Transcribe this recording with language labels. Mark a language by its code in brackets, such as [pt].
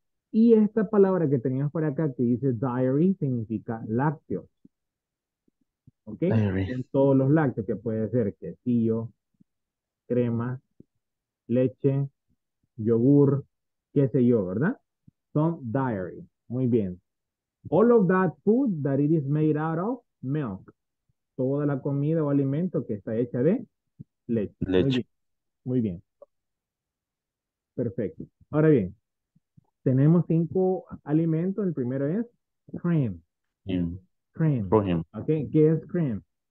[es] Y esta palabra que teníamos por acá, que dice diary, significa lácteos. ¿Ok? Son todos los lácteos, que puede ser quesillo, crema, leche, yogur, qué sé yo, ¿verdad? Son diary. Muy bien. [en] All of that food that it is made out of, milk. [es] Toda la comida o alimento que está hecha de leche. Muy Leche. bien. Muy bien. Perfecto. Ahora bien, tenemos cinco alimentos. El primero es cream. Cream. ¿Ok? ¿Qué es cream?